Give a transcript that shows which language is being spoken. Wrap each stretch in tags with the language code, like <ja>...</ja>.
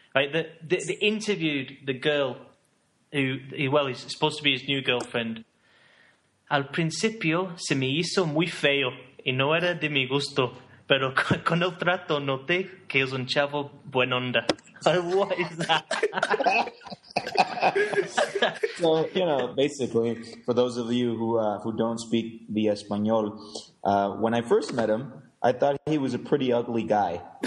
<en>Right, they interviewed the girl who is supposed to be his new girlfriend.</en> <es>Al principio se me hizo muy feo y no era de mi gusto, pero con el trato noté que es un chavo buen onda.</es> <en>What is that? Well, you know, basically, for those of you who don't speak the Espanol, when I first met him, I thought he was a pretty ugly guy.</en>